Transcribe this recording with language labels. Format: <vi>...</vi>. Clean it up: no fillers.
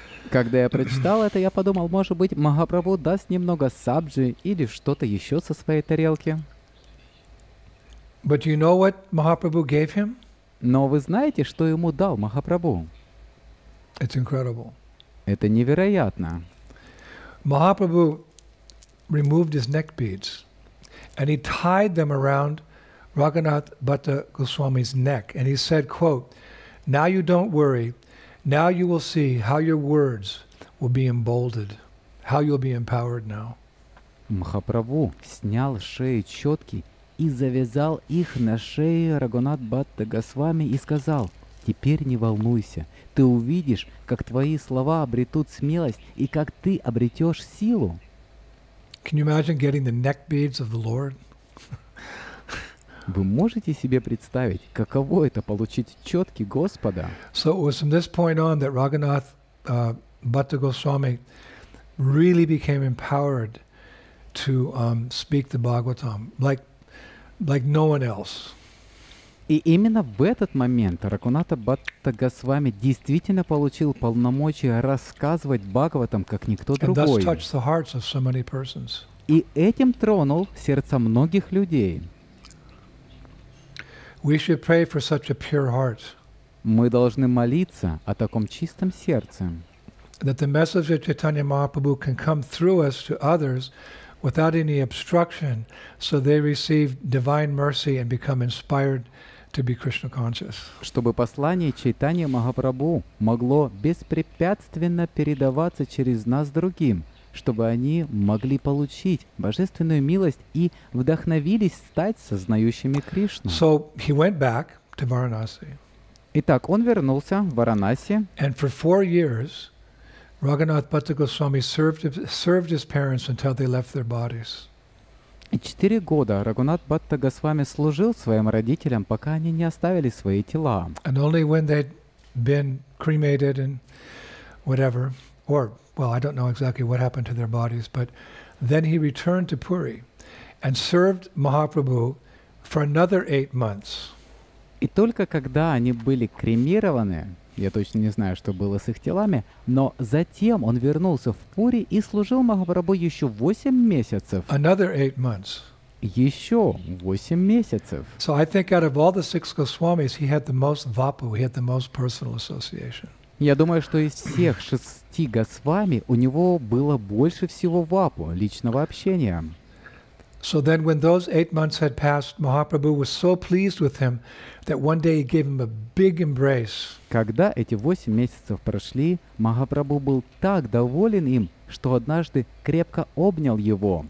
<ru>Когда я прочитал это, я подумал, может быть, Махапрабху даст немного сабджи или что-то еще со своей тарелки.</ru> <en>But you know what Mahaprabhu gave him?</en> <ru>Но вы знаете, что ему дал Махапрабху?</ru> <en>It's incredible.</en> <ru>Это невероятно.</ru> <en>Mahaprabhu removed his neck beads, and he tied them around Raghunath Bhatta Goswami's neck, and he said, quote, now you don't worry, now you will see how your words will be emboldened, how you'll be empowered now.</en> <ru>Махапрабху снял с шеи четки и завязал их на шее Рагунат Бхатта Госвами и сказал, теперь не волнуйся, ты увидишь, как твои слова обретут смелость и как ты обретешь силу.</ru> <en>Can you imagine getting the neck beads of the Lord?</en> <ru>Вы можете себе представить, каково это получить четки Господа?</ru> <en>So it was from this point on that Raghunath Bhatta Goswami really became empowered to speak the Bhagavatam like no one else.</en> <ru>И именно в этот момент Рагуната Бхатта Госвами действительно получил полномочия рассказывать Бхагаватам как никто другой.</ru> <en>And thus touched the hearts of so many persons.</en> <ru>И этим тронул сердца многих людей.</ru> <en>We should pray for such a pure heart.</en> <ru>Мы должны молиться о таком чистом сердце.</ru> <en>That the message of Chaitanya Mahaprabhu can come through us to others without any obstruction, so they receive divine mercy and become inspired to be Krishna conscious.</en> <ru>Чтобы послание Чайтанья Махапрабху могло беспрепятственно передаваться через нас другим, чтобы они могли получить божественную милость и вдохновились стать сознающими Кришну.</ru> <en>So he went back to Varanasi.</en> <ru>Итак, он вернулся в Варанаси.</ru> <en>And for 4 years, Raghunath Bhatta Goswami served his parents until they left their bodies.</en> <ru>4 года Рагунат Бхатта Госвами служил своим родителям, пока они не оставили свои тела.</ru> <en>And only when they'd been cremated and whatever, or well, I don't know exactly what happened to their bodies, but then he returned to Puri and served Mahaprabhu for another 8 months.</en> <ru>И только когда они были кремированы, я точно не знаю, что было с их телами, но затем он вернулся в Пури и служил Махапрабху еще 8 месяцев.</ru> <en>Another 8 months.</en> <ru>еще 8 месяцев.</ru> <en>So I think out of all the six Goswamis, he had the most vapu, he had the most personal association.</en> <ru>Я думаю, что из всех шести Госвами у него было больше всего вапу, личного общения.</ru> <en>So then when those 8 months had passed, Mahaprabhu was so pleased with him that one day he gave him a big embrace.</en> <ru>Когда эти 8 месяцев прошли, Махапрабху был так доволен им, что однажды крепко обнял его.</ru>